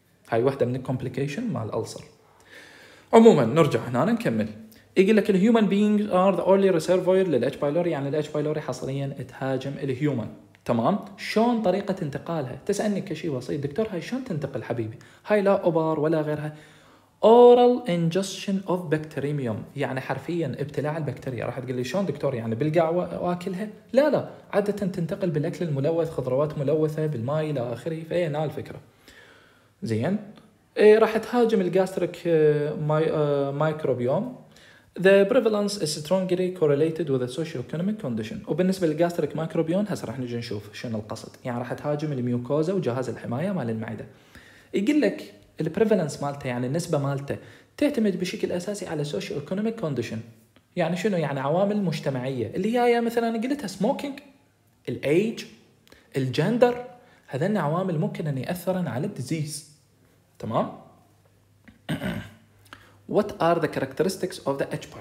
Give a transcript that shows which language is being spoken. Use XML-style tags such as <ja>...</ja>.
<ar>هاي واحدة من الكومبليكيشن مال الألسر. عموما نرجع هنا نكمل، يقول لك</ar> <en>الهيومن being are the only reservoir</en> <ar>للاتش بايلوري، يعني الاتش بايلوري حصريا تهاجم الهيومن، تمام؟ شلون طريقه انتقالها؟ تسالني كشيء بسيط دكتور هاي شلون تنتقل حبيبي؟ هاي لا ابار ولا غيرها،</ar> <en>oral ingestion of bacterium,</en> <ar>يعني حرفيا ابتلاع البكتيريا. راح تقول لي شلون دكتور يعني بالقعوه واكلها؟ لا لا، عاده تنتقل بالاكل الملوث، خضروات ملوثه بالماء الى اخره، فهي نال فكره زين. إيه راح تهاجم الغاستريك مايكروبيوم.</ar> <en>The prevalence is strongly correlated with the socioeconomic condition.</en> <ar>وبالنسبة للغاستريك مايكروبيوم هسه راح نجي نشوف شنو القصد، يعني راح تهاجم الميوكوزا وجهاز الحماية مال المعدة. يقول لك الـ prevalence مالته يعني النسبة مالته تعتمد بشكل أساسي على</ar> <en>socioeconomic condition،</en> <ar>يعني شنو؟ يعني عوامل مجتمعية اللي هي مثلا قلتها smoking، الـ age، الـ gender، هذن عوامل ممكن أن يأثرن على disease، تمام؟</ar> <en>What are the characteristics of the H.</en>